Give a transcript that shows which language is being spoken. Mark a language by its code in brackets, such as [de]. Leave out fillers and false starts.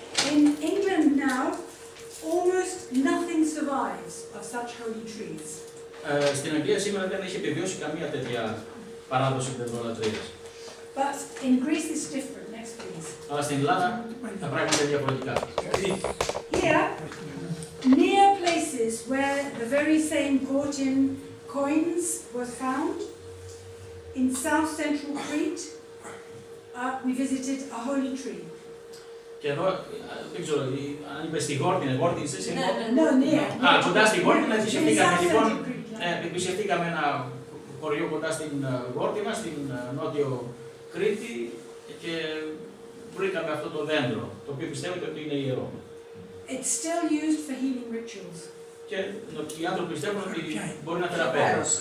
[en] In England now, almost nothing survives of such holy trees. [el] Στην Αγγλία σήμερα δεν έχει επιβιώσει καμία τέτοια παράδοση τέτοιων λατρείας. [en] But in Greece it's different. Next, please. [el] Αλλά στην Ελλάδα τα πράγματα είναι διαφορετικά. [en] Here, near places where the very same Gordian coins were found, in south central Crete, we visited a holy tree. [el] Και εδώ, δεν ξέρω, αν είπες στη Γόρτινα, Γόρτινα, εσύ είναι... [en] No, near. [el] Α, κοντά στη Γόρτινα, επισκεφτήκαμε λοιπόν, επισκεφτήκαμε ένα χωριό κοντά στην Γόρτινα, στην νότιο Κρήτη και βρήκαμε αυτό το δέντρο, το οποίο πιστεύετε ότι είναι ιερό. [en] It's still used for healing rituals. [el] Και οι άνθρωποι πιστεύουν ότι μπορεί να θεραπεύει.